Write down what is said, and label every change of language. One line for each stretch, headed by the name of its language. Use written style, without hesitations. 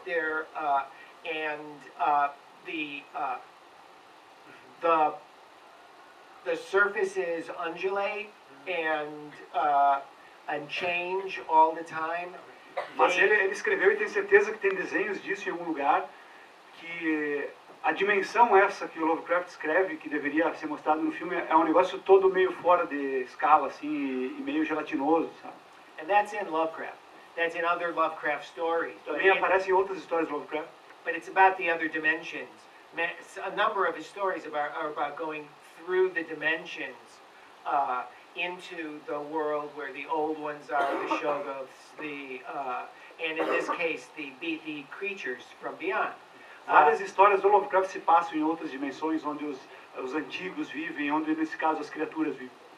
English: They're, and the surfaces undulate and change all the time.
Portuguese: Mas ele escreveu e tem certeza que tem desenhos disso em algum lugar, que a dimensão essa que o Lovecraft escreve, que deveria ser mostrado no filme, é um negócio todo meio fora de escala, assim, e meio gelatinoso, sabe?
English: And that's in Lovecraft. That's in other Lovecraft stories.
Portuguese: Também aparece em outras histórias do Lovecraft.
English: But it's about the other dimensions. A number of his stories are about going through the dimensions, into the world where the old ones are, the Shoggoths, and in this case, the creatures from beyond.
Portuguese: Várias histórias do Lovecraft se passam em outras dimensões, onde os antigos vivem, onde, nesse caso, as criaturas vivem.